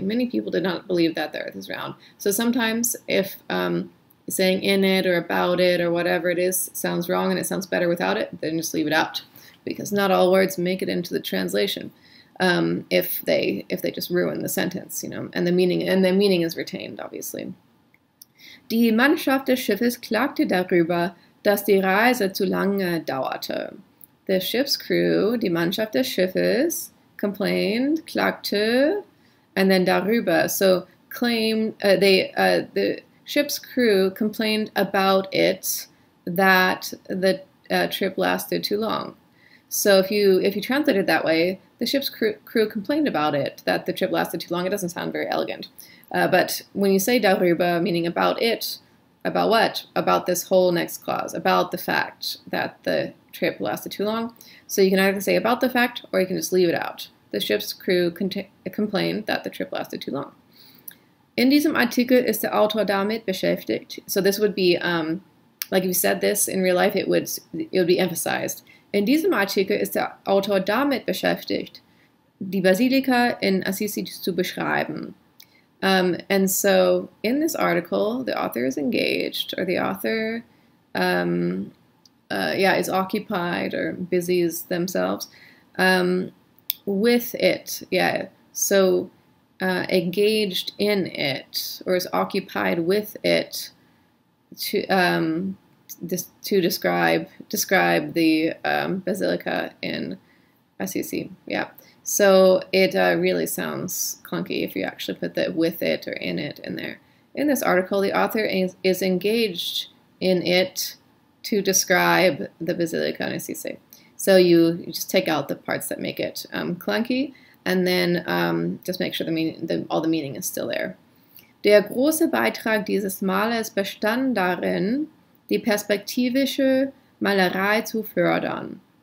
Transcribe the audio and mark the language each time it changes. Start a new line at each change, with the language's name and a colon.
English: Many people did not believe that the earth is round. So sometimes if saying in it or about it or whatever it is sounds wrong and it sounds better without it, then just leave it out, because not all words make it into the translation if they just ruin the sentence, you know, and the meaning is retained, obviously.
German: Die Mannschaft des Schiffes klagte darüber, dass die Reise zu lange dauerte.
English: The ship's crew,
German: die Mannschaft des Schiffes,
English: complained, klagte, and then darüber. So claimed, the ship's crew complained about it, that the trip lasted too long. So if you translate it that way, the ship's crew complained about it, that the trip lasted too long. It doesn't sound very elegant. But when you say darüber, meaning about it, about what? About this whole next clause, about the fact that the trip lasted too long. So you can either say about the fact, or you can just leave it out. The ship's crew complained that the trip lasted too long.
German: In diesem Artikel ist der Autor damit beschäftigt.
English: So this would be, like if you said this in real life, it would be emphasized.
German: In diesem Artikel ist der Autor damit beschäftigt, die Basilika in Assisi zu beschreiben.
English: And so in this article, the author is engaged, or the author, is occupied or busies themselves with it. Yeah, so engaged in it, or is occupied with it to describe the basilica in Assisi. Yeah. So it really sounds clunky if you actually put the with it or in it in there. In this article, the author is engaged in it to describe the Basilica in Assisi. So you just take out the parts that make it clunky, and then just make sure all the meaning is still there.
German: Der große Beitrag dieses Malers bestand darin, die perspektivische Malerei zu fördern.